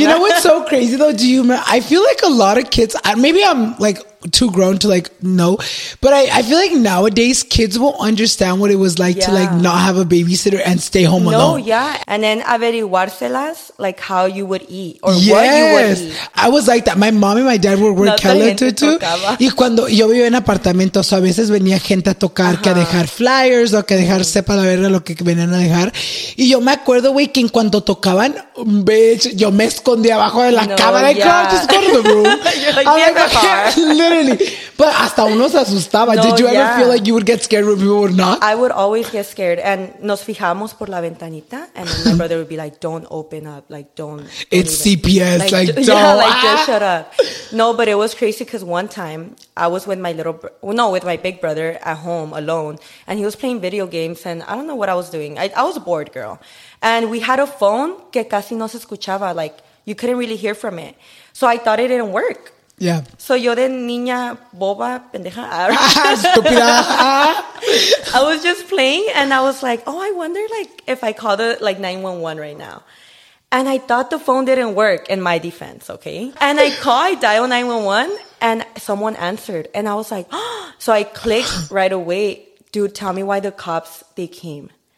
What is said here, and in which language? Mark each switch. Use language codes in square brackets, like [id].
[en] You know what's so crazy, though? Do you? I feel like a lot of kids, maybe I'm, like, too grown to, like, know, but I feel like nowadays kids will understand what it was like to, like, not have a babysitter and stay home alone. No, yeah. And then averiguárselas, like, how you would eat or what you would eat. I was like that. My mom and my dad would work hella too. [es] Y cuando yo vivía en apartamento, so a veces venía gente a tocar, que a dejar flyers o que a dejar sepa la verga lo que venían a dejar. Y yo me acuerdo, güey, que en cuanto tocaban, bitch, yo me escondía abajo de la cama. [en] Like, girl, just go to the room. You're like, I'm like, literally. [es] But hasta uno se asustaba. [en] No, did you ever feel like you would get scared when people would knock? I would always get scared. And [es] nos fijamos por la ventanita. [en] And then my brother would be like, don't open up. Like, don't. It's even. CPS. Like, don't. Yeah, like, just shut up. No, but it was crazy because one time I was with my little, with my big brother at home alone. And he was playing video games. And I don't know what I was doing. I was a bored girl. And we had a phone [es] que casi no se escuchaba. [en] Like, you couldn't really hear from it. So I thought it didn't work. Yeah. [es] So yo de niña boba, pendeja. Estúpida. [en] I was just playing and I was like, oh, I wonder like if I call the 911 right now. And I thought the phone didn't work in my defense, okay? And I call, I dial 911 and someone answered. And I was like, oh. So I clicked right away. Dude, tell me why the cops, they came.